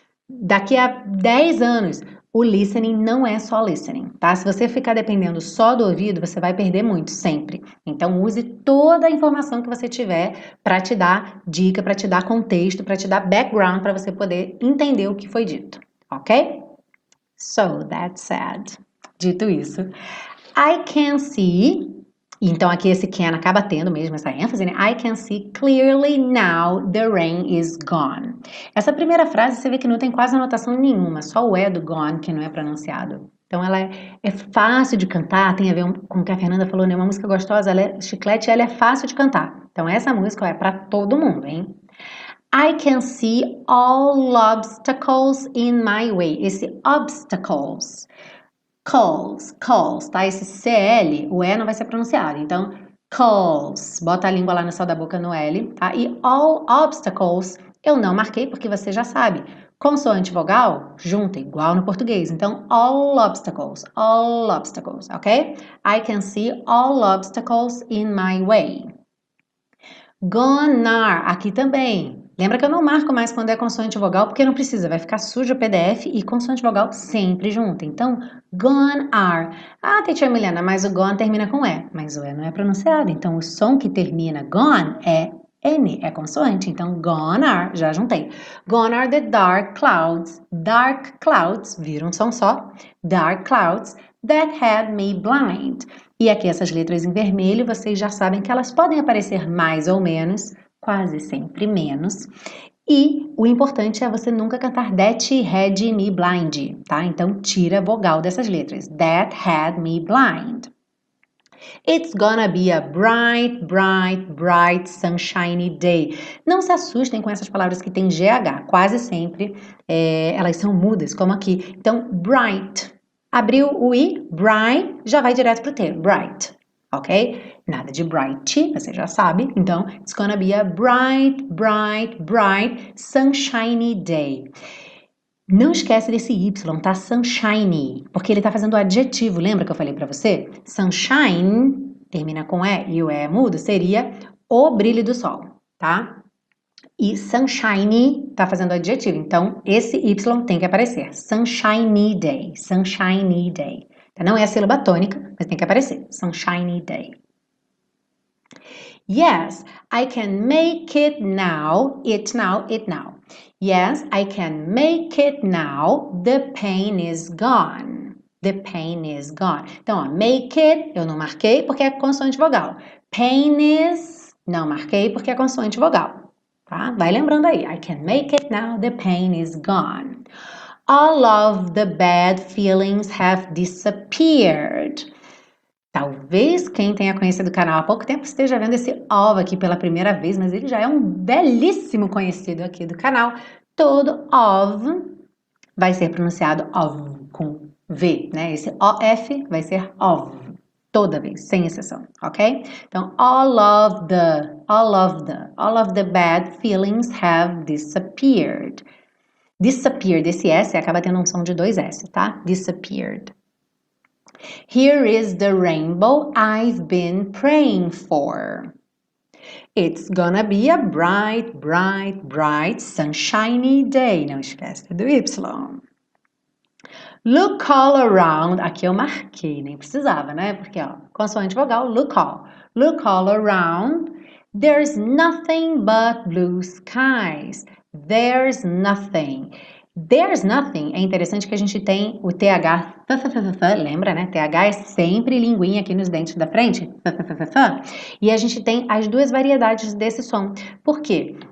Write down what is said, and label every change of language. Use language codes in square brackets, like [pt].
[pt] Daqui a 10 anos, o listening não é só listening, tá? Se você ficar dependendo só do ouvido, você vai perder muito, sempre. Então, use toda a informação que você tiver para te dar dica, para te dar contexto, para te dar background, para você poder entender o que foi dito, ok? [en] So, that said, [pt] dito isso, [en] I can see. [pt] Então, aqui esse can acaba tendo mesmo essa ênfase, né? [en] I can see clearly now the rain is gone. [pt] Essa primeira frase você vê que não tem quase anotação nenhuma, só o E do gone que não é pronunciado. Então, ela é fácil de cantar, tem a ver com o que a Fernanda falou, né? Uma música gostosa, ela é chiclete, ela é fácil de cantar. Então, essa música é para todo mundo, hein? [en] I can see all obstacles in my way. [pt] Esse obstacles. Calls, calls, tá? Esse CL, o E não vai ser pronunciado. Então, calls, bota a língua lá no céu da boca no L, tá? E all obstacles, eu não marquei porque você já sabe. Consoante vogal, junta, igual no português. Então, all obstacles, ok? [en] I can see all obstacles in my way. [pt] Gonna, aqui também. Lembra que eu não marco mais quando é consoante vogal, porque não precisa, vai ficar sujo o PDF e consoante vogal sempre junto. Então, gone are. Ah, Tietchan Milena, mas o gone termina com E. Mas o E não é pronunciado. Então, o som que termina gone é N, é consoante. Então, gone are, já juntei. [en] Gone are the dark clouds. Dark clouds, [pt] vira um som só. [en] Dark clouds that had me blind. [pt] E aqui essas letras em vermelho, vocês já sabem que elas podem aparecer mais ou menos. Quase sempre menos. E o importante é você nunca cantar [en] That Had Me Blind, [pt] tá? Então tira a vogal dessas letras. [en] That Had Me Blind. It's gonna be a bright, bright, bright sunshiny day. [pt] Não se assustem com essas palavras que têm GH. Quase sempre elas são mudas, como aqui. Então, bright. Abriu o I, bright, já vai direto pro T, bright. Ok? Nada de bright, você já sabe. [en] Então, it's gonna be a bright, bright, bright, sunshiny day. [pt] Não esquece desse Y, tá? Sunshiny. Porque ele tá fazendo adjetivo. Lembra que eu falei pra você? Sunshine termina com E e o E é mudo, seria o brilho do sol, tá? E sunshiny tá fazendo adjetivo. Então, esse Y tem que aparecer. [en] Sunshiny day. Sunshiny day. [pt] Não é a sílaba tônica, mas tem que aparecer. [en] Sunshiny day. Yes, I can make it now. It now, it now. Yes, I can make it now. The pain is gone. The pain is gone. [pt] Então, ó, make it, eu não marquei porque é consoante vogal. Pain is, não marquei porque é consoante vogal. Tá? Vai lembrando aí. [en] I can make it now. The pain is gone. All of the bad feelings have disappeared. [pt] Talvez quem tenha conhecido o canal há pouco tempo esteja vendo esse ovo aqui pela primeira vez, mas ele já é um belíssimo conhecido aqui do canal. Todo ovo vai ser pronunciado ovo com V, né? Esse OF vai ser ovo toda vez, sem exceção, ok? [en] Então, all of the bad feelings have disappeared. [pt] Disappeared, esse S acaba tendo um som de dois S, tá? Disappeared. [en] Here is the rainbow I've been praying for. It's gonna be a bright, bright, bright, sunshiny day. [pt] Não esquece do Y. [en] Look all around. [pt] Aqui eu marquei, nem precisava, né? Porque, ó, consoante vogal, [en] look all. Look all around. There's nothing but blue skies. There's nothing. [pt] There's nothing. É interessante que a gente tem o TH, lembra, né? TH é sempre linguinha aqui nos dentes da frente. E a gente tem as duas variedades desse som. Por quê?